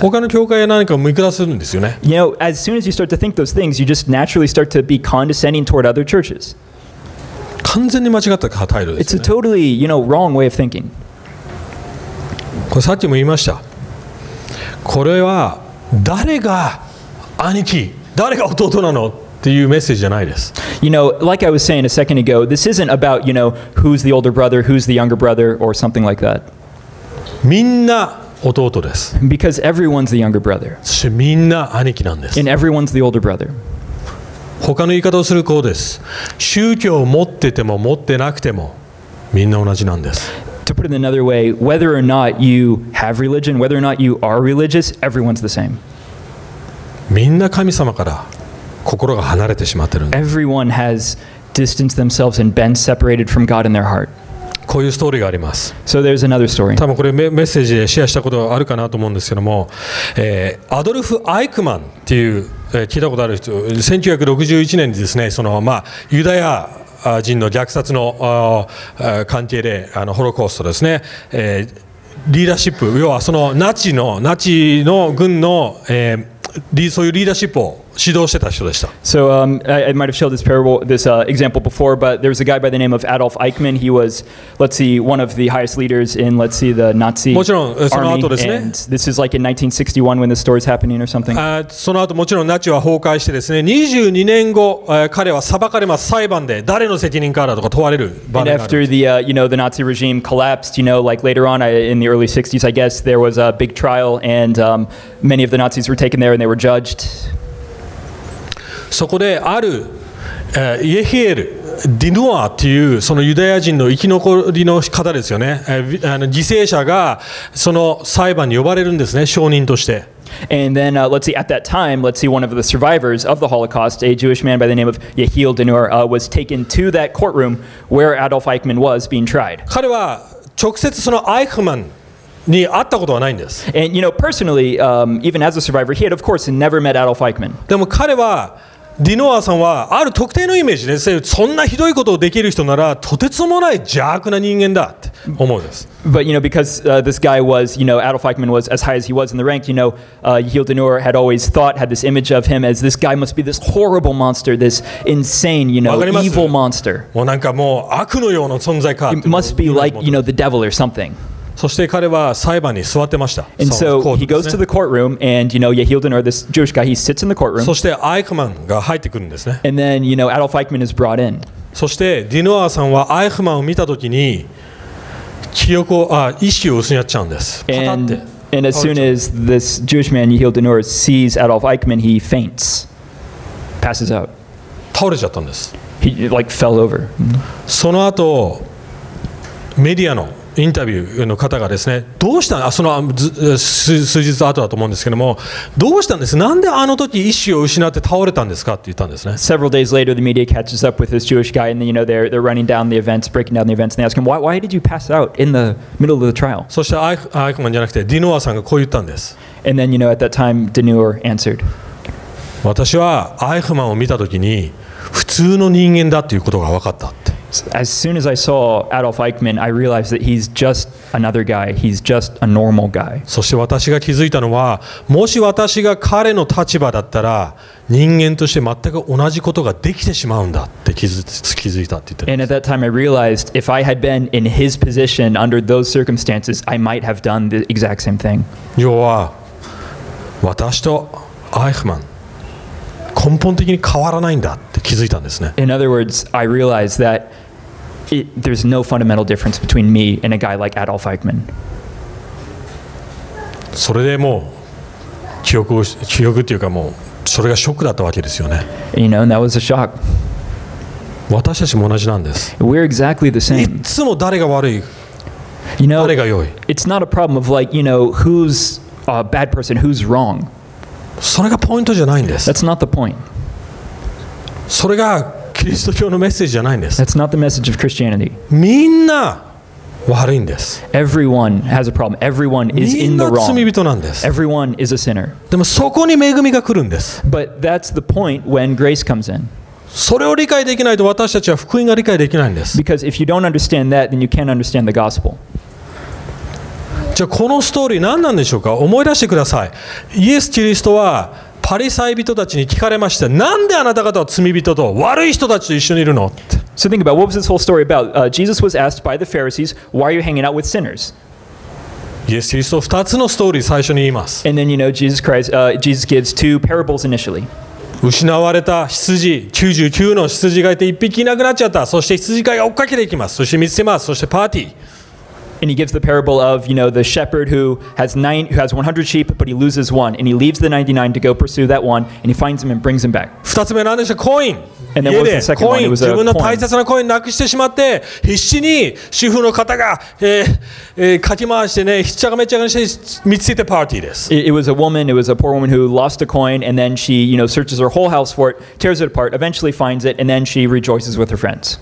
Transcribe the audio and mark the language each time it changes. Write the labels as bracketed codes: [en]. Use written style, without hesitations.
[ja] 他の教会や何かを見下すんですよね。 [en] You know, as soon as you start to think those things, you just naturally start to be condescending toward other churches. [ja] 完全に間違った態度ですね。 [en] It's a totally, you know, wrong way of thinking. [ja] これさっきも言いました。これは誰が兄貴、誰が弟なのっていうメッセージじゃないです。 [en] You know, like I was saying a second ago, this isn't about, you know, who's the older brother, who's the younger brother, or something like that. [ja] みんな弟です。 [en] Because everyone's the younger brother. [ja] そしてみんな兄貴なんです。 [en] And everyone's the older brother. [ja] 他の言い方をするこうです。宗教を持ってても持ってなくてもみんな同じなんです。 [en] To put it another way, whether or not you have religion, whether or not you are religious, everyone's the same. [ja] みんな神様から心が離れてしまってるんです。 [en] Everyone has distanced themselves and been separated from God in their heart. [ja] こういうストーリーがあります。 [en] So there's another story. [ja] 多分これメッセージでシェアしたことあるかなと思うんですけども、アドルフ・アイクマンっていう聞いたことある人、1961年にですね、そのまあユダヤ人の虐殺の関係で、あのホロコーストですね、リーダーシップ、要はそのナチの軍の、そういうリーダーシップを指導してた人でした。 [en] So, I might have showed this parable, this example before, but there was a guy by the name of Adolf Eichmann. He was, let's see, one of the highest leaders in, let's see, the Nazi [ja] もちろんその後ですね。 [en] And this is like in 1961 when the story is happening or something. [ja] その後もちろんナチは崩壊してですね、22年後、彼は裁かれます。裁判で誰の責任かだとか問われる場面がある。 [en] And after the, you know, the Nazi regime collapsed, you know, like later on, in the early 60s, I guess, there was a big trial and many of the Nazis were taken there and they were judged. [ja] そこである、イエヒエル・ディヌアというそのユダヤ人の生き残りの方ですよね、犠牲者がその裁判に呼ばれるんですね、証人として。 [en] And then, let's see, at that time, let's see, one of the survivors of the Holocaust, a Jewish man by the name of Yehiel Dinur, was taken to that courtroom where Adolf Eichmann was being tried. [ja] 彼は直接そのアイクマンに会ったことはないんです。 [en] And you know, personally, even as a survivor, he had of course never met Adolf Eichmann. [ja] でも彼はディノアさんはある特定のイメージです。そんなひどいことをできる人ならとてつもない邪悪な人間だって思うんです。 [en] But you know, because this guy was, you know, Adolf Eichmann was as high as he was in the rank, you know, Yehiel Dinur had always thought, had this image of him as this guy must be this horrible monster, this insane, you know, evil monster. [ja] もうなんかもう悪のような存在か。 [en] It must be like, you know, the devil or something. [ja] そして彼は裁判に座ってました。 [en] And so he goes to the courtroom, and you know, Yehiel Dinur, this Jewish guy, he sits in the courtroom. [ja] そしてアイクマンが入ってくるんですね。 [en] And then, you know, Adolf Eichmann is brought in. [ja] そしてディノアさんはアイクマンを見たときに、記憶を、意識を失っちゃうんです。 [en] And And as soon as this Jewish man, Yehiel Ben Uri, sees Adolf Eichmann, he faints, passes out. He like fell over. [ja] その後、メディアのインタビューの方がですね、どうしたん、その数日後だと思うんですけども、どうしたんです、なんであの時意識を失って倒れたんですかって言ったんですね。 [en] Several days later, the media catches up with this Jewish guy, and you know, they're running down the events, breaking down the events, and they ask him, why did you pass out in the middle of the trial? [ja] そしてアイクマンじゃなくて、ディノアさんがこう言ったんです。 [en] And then, you know, at that time, ディノア answered. [ja] 私はアイクマンを見た時に、普通の人間だということが分かったって。 [en] As soon as I saw Adolf Eichmann, I realized that he's just another guy. He's just a normal guy. [ja] そして私が気づいたのは、もし私が彼の立場だったら、人間として全く同じことができてしまうんだって気づいたって言ってる。 [en] And at that time, I realized if I had been in his position under those circumstances, I might have done the exact same thing. [ja] 要は、私とアイクマン根本的に変わらないんだって気づいたんですね。 [en] In other words, I realized that there's no fundamental difference between me and a guy like Adolf Eichmann. [ja] それでもう記憶というかもうそれがショックだったわけですよね。 [en] You know, that was a shock. [ja] 私たちも同じなんです。 [en] We're exactly the same. [ja] いつも誰が悪い、 [en] you know, [ja] 誰が良い。 [en] It's not a problem of like, you know, who's a bad person, who's wrong. [ja] それがポイントじゃないんです。 [en] That's not the point. [ja] それがキリスト教のメッセージじゃないんです。 [en] That's not the message of Christianity. [ja] みんな悪いんです。 [en] Everyone has a problem. Everyone is in the wrong. [ja] みんな罪人なんです。 [en] Everyone is a sinner. [ja] でもそこに恵みが来るんです。 [en] But that's the point when grace comes in. [ja] それを理解できないと私たちは福音が理解できないんです。 [en] Because if you don't understand that, then you can't understand the gospel. [ja] じゃあこのストーリー何なんでしょうか。思い出してください。イエス・キリストはパリサイ人たちに聞かれました。なんであなた方は罪人と悪い人たちと一緒にいるの。 [en] So think about what was this whole story about? Jesus was asked by the Pharisees, "Why are you hanging out with sinners?" [ja] イエス・キリストは2つのストーリー最初に言います。 [en] And then you know Jesus Christ, Jesus gives two parables initially. [ja] 失われた羊、99の羊がいて1匹いなくなっちゃった。そして羊飼いが追っかけていきます。そして見つけます。そしてパーティー。 [en] And he gives the parable of, you know, the shepherd who has 100 sheep, but he loses one. And he leaves the 99 to go pursue that one. And he finds him and brings him back. [ja] 2つ目は何でしたコイン。 [en] And then what was the second one? It was a coin. [ja] 自分の大切なコインなくしてしまって、必死に主婦の方が、かき回してね、ひっちゃがめっちゃがして見つけてパーティーです。 [en] It was a woman. It was a poor woman who lost a coin. And then she, you know, searches her whole house for it, tears it apart, eventually finds it, and then she rejoices with her friends.